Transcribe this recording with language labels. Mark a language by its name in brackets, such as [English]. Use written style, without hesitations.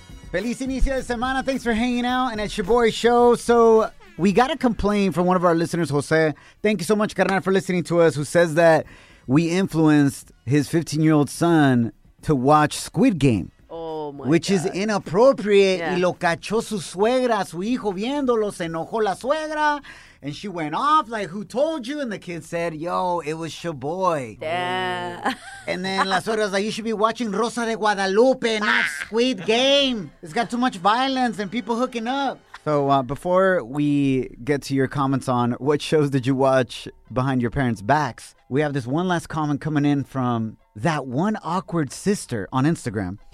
[Spanish] Feliz inicio de semana. [English] Thanks for hanging out. And at Shaboy Show, so we got a complaint from one of our listeners, Jose. Thank you so much, carnal, for listening to us, who says that we influenced his 15-year-old son to watch Squid Game. Oh my God. Is inappropriate. Yeah. [Spanish] Y lo cachó su suegra, su hijo viéndolo, se enojó la suegra. [English] And she went off, like, who told you? And the kid said, yo, it was your boy. Yeah. And then [Spanish] la suegra [English] was like, you should be watching Rosa de Guadalupe, not Squid Game. It's got too much violence and people hooking up. So before we get to your comments on what shows did you watch behind your parents' backs, we have this one last comment coming in from that one awkward sister on Instagram.